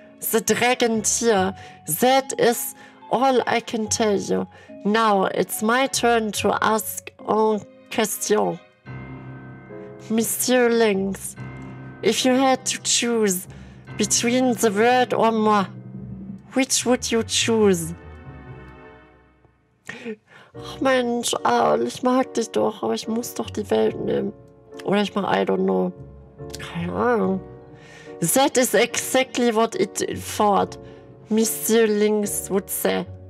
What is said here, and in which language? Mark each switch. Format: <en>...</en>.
<en>The dragon tear. That is all I can tell you. Now it's my turn to ask en question. Monsieur Lynx, if you had to choose between the world or moi, which would you choose?</en> <de>Ach Mensch, Aal, ich mag dich doch, aber ich muss doch die Welt nehmen. Oder ich mach,</de> <en>I don't know.</en> <de>Keine Ahnung.</de> <en>That is exactly what it thought, Monsieur Lynx would say.</en>